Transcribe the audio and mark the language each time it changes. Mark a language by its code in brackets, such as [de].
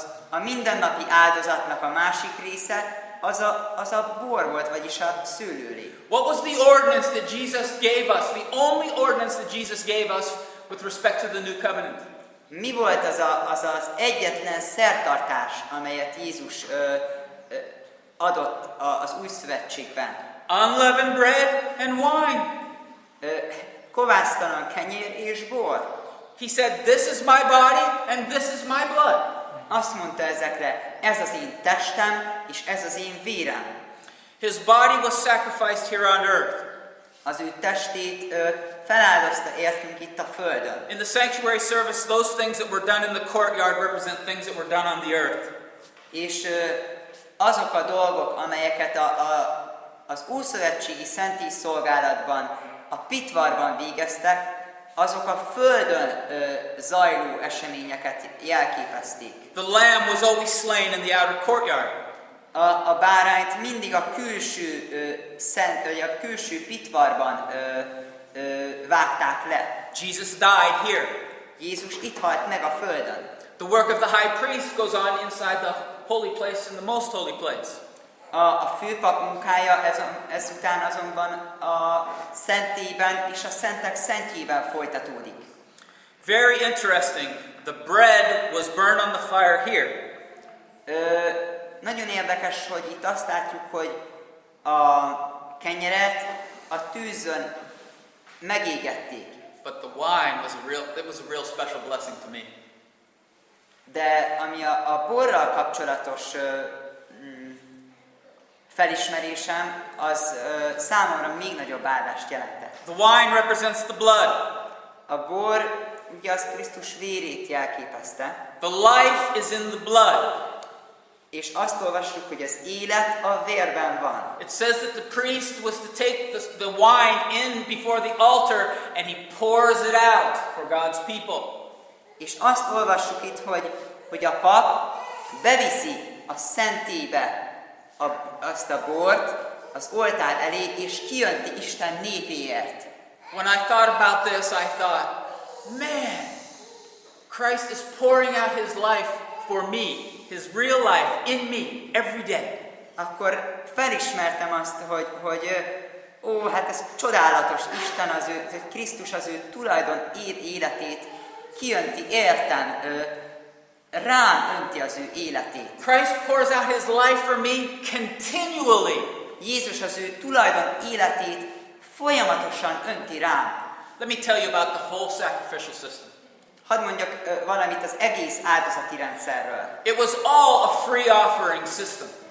[hu] A mindennapi áldozatnak a másik része, az a bor volt, vagyis a szőlőlé. [en] What was the ordinance that Jesus gave us, the only ordinance that Jesus gave us with respect to the new covenant? [hu] Mi volt az egyetlen szertartás, amelyet Jézus adott az új szövetségben? [en] Unleavened bread and wine. [hu] Kovásztalan kenyér és bor. [en] He said, this is my body and this is my blood. [hu] Azt mondta ezekre, ez az én testem és ez az én vérem. [en] His body was sacrificed here on earth. [hu] Az ő testét feláldozta értünk itt a földön. [en] In the sanctuary service, those things that were done in the courtyard represent things that were done on the earth. [hu] És azok a dolgok, amelyeket az ószövetségi szentély szolgálatban, a pitvarban végeztek, azok a földön zajló eseményeket jelképezték. [en] The lamb was always slain in the outer courtyard. [hu] A bárányt mindig a külső szent, vagy a külső pitvarban vágták le. [en] Jesus died here. [hu] Jézus itt halt meg a földön. [en] The work of the high priest goes on inside the holy place and the most holy place. [hu] A főpap munkája ezután azonban a szentélyben és a szentek szentjében folytatódik. [en] Very interesting. The bread was burned on the fire here. [hu] Nagyon érdekes, hogy itt azt látjuk, hogy a kenyeret a tűzön megégették. [en] But the wine was a real special blessing to me. [hu] De ami a borral kapcsolatos felismerésem, az számomra még nagyobb áldást jelentett. [en] The wine represents the blood. [hu] A bor ugye az Krisztus vérét jelképezte. [en] The life is in the blood. [hu] És azt olvassuk, hogy az élet a vérben van. [en] It says that the priest was to take the wine in before the altar and he pours it out for God's people. [hu] És azt olvassuk itt, hogy a pap beviszi a szentélybe azt a bort az oltár elé, és kijönti Isten népéért. [en] When I thought about this, I thought, man, Christ is pouring out his life for me, his real life in me every day. [hu] Akkor felismertem azt, hogy ó, hát ez csodálatos, Isten az ő, hogy Krisztus az ő tulajdon életét kijönti értem, rám önti az ő életét. [en] Christ pours out his life for me continually. [hu] Jézus az ő tulajdon életét folyamatosan önti rám. [en] Let me tell you about the whole sacrificial system. [hu] Hadd mondjak valamit az egész áldozati rendszerről. [en] It was all a free offering system.